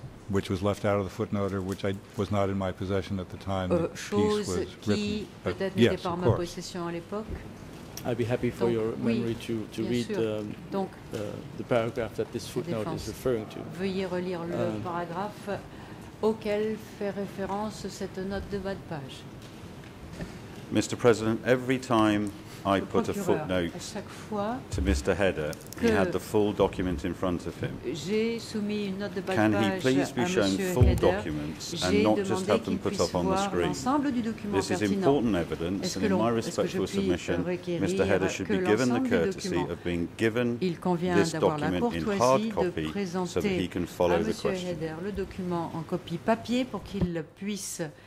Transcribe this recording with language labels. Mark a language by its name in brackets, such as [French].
[English] which was left out of the footnote or which was not in my possession at the time the piece was written. But yes, of course. I'd be happy for your memory to read the paragraph that this footnote is referring to. [French] Veuillez relire le paragraphe auquel fait référence cette note de bas de page. [English] Mr. President, every time I put a footnote to Mr. Header, he had the full document in front of him. [French] J'ai soumis une note de bas [English] can he please be shown full documents and not just have them put up on the screen? This is important evidence, and in my respectful submission, Mr. Header should be given the courtesy of being given this document in hard copy so that he can follow the question. [French] Monsieur Header, le document en copie papier pour qu'il puisse